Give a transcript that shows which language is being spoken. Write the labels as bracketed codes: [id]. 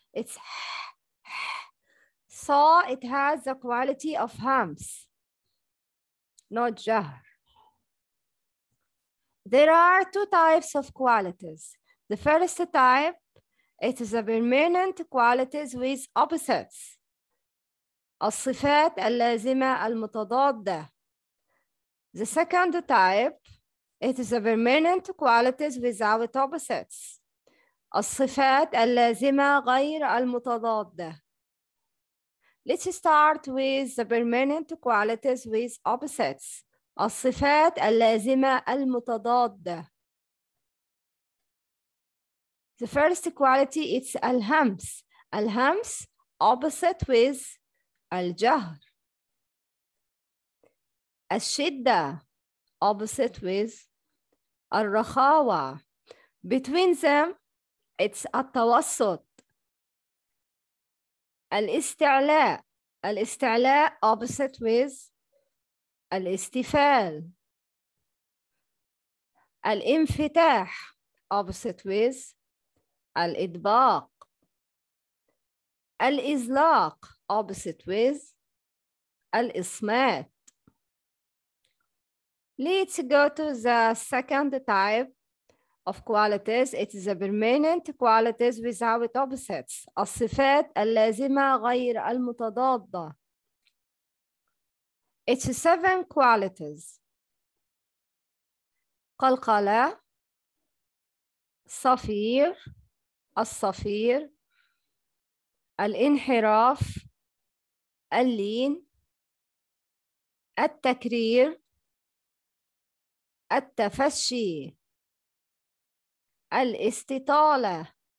[en] It's ha, ha. So it has the quality of hams, not jahr. There are two types of qualities. The first type, it is a permanent qualities with opposites. [ar] الصفات اللازمة المتضادة. [en] The second type, it is a permanent qualities without opposites. [ar] الصفات اللازمة غير المتضادة. [en] Let's start with the permanent qualities with opposites. [ar] الصفات اللازمة المتضادة. [en] The first quality, it's الهمس. الهمس, opposite with الجهر. الشدة, opposite with الرخاوة. Between them, it's التوسط. الاستعلاء. الاستعلاء, opposite with الاستفال. الانفتاح, opposite with الإطباق. الإزلاق, opposite with الإصمات. Let's go to the second type of qualities. It is a permanent qualities without opposites. الصفات اللازمة غير المتضادة. It's seven qualities. [ar] قلقلة, صفير, الصفير, الانحراف, اللين, التكرير, التفشي, الاستطالة.